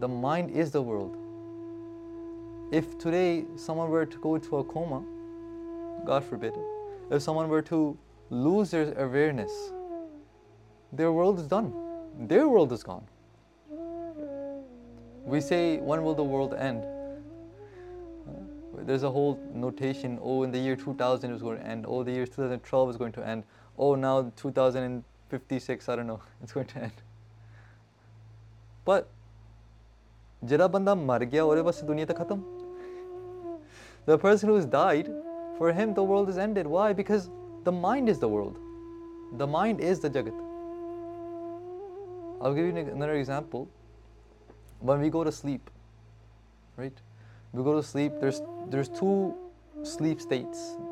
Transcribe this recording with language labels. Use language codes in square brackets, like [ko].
[en] The mind is the world. If today someone were to go into a coma, God forbid, if someone were to lose their awareness, their world is done. Their world is gone. We say, when will the world end? There's a whole notation, oh, in the year 2000 it was going to end. Oh, the year 2012 is going to end. Oh, now 2056, I don't know, it's going to end. [pa] But ਜਿਹੜਾ ਬੰਦਾ ਮਰ ਗਿਆ ਉਹਦੇ ਵਾਸਤੇ ਦੁਨੀਆ ਤਾਂ ਖਤਮ. [en] The person who has died, for him the world is ended. Why? Because the mind is the world. The mind is the jagat. I'll give you another example. When we go to sleep, right? We go to sleep, there's two sleep states.